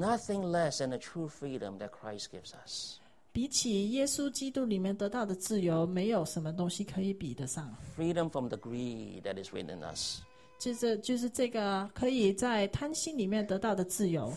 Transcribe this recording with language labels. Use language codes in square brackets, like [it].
[en] Nothing less than the true freedom that Christ gives us. [zh] 比起耶稣基督里面得到的自由，没有什么东西可以比得上。 [en] Freedom from the greed that is within us. [zh] 就是这个可以在贪心里面得到的自由。